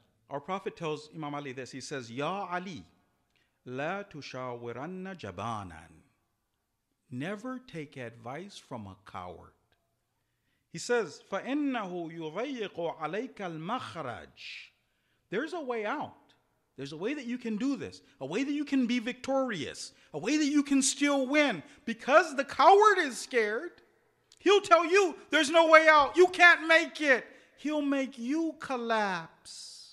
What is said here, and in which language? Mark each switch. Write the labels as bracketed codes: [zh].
[en] Our Prophet tells Imam Ali this. He says, [ar] Ya Ali, la tushawiranna jabanan. [en] Never take advice from a coward. He says, [ar] فَإِنَّهُ يُضَيِّقُ عَلَيْكَ الْمَخْرَجِ. [en] There's a way out. There's a way that you can do this. A way that you can be victorious. A way that you can still win. Because the coward is scared, he'll tell you, there's no way out. You can't make it. He'll make you collapse.